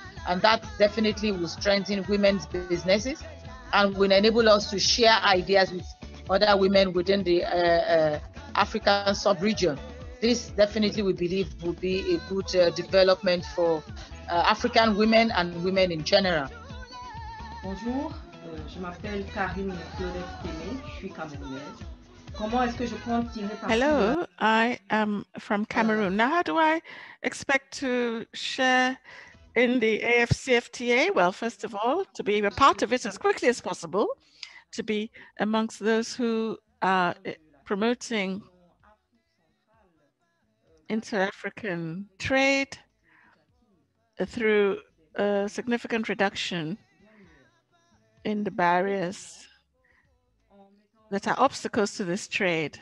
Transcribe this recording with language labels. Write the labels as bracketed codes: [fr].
[en] And that definitely will strengthen women's businesses and will enable us to share ideas with other women within the African sub-region. This definitely, we believe, will be a good development for African women and women in general. [fr] Bonjour, je m'appelle Karine Florette-Témé, je suis camerounaise. Comment est-ce que je compte tirer parti? [en] Hello, I am from Cameroon. Now, how do I expect to share in the AFCFTA? Well, first of all, to be a part of it as quickly as possible, to be amongst those who are promoting inter-African trade through a significant reduction in the barriers that are obstacles to this trade.